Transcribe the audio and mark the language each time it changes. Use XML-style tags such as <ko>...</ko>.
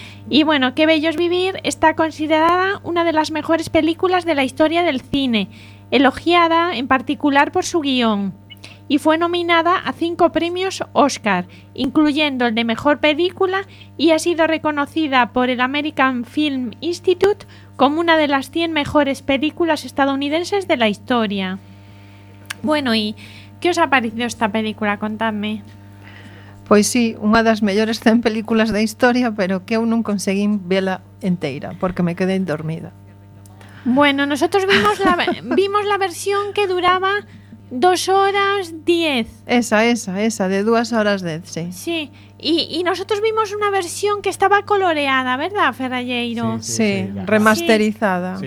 <es>Y bueno, Qué bello es vivir está considerada una de las mejores películas de la historia del cine, elogiada en particular por su guión, y fue nominada a 5 premios Oscar, incluyendo el de Mejor Película, y ha sido reconocida por el American Film Institute como una de las 100 mejores películas estadounidenses de la historia. Bueno, ¿y qué os ha parecido esta película? Contadme.</es> <gl>Pois sí, unha das mellores 100 películas da historia, pero que eu non conseguín vela enteira, porque me quedei dormida.</gl> <es>Bueno, nosotros vimos la versión que duraba 2 horas 10. Esa, de 2 horas 10, sí. Sí, y nosotros vimos una versión que estaba coloreada, ¿verdad, Ferralleiro? Sí, remasterizada. Sí,</es>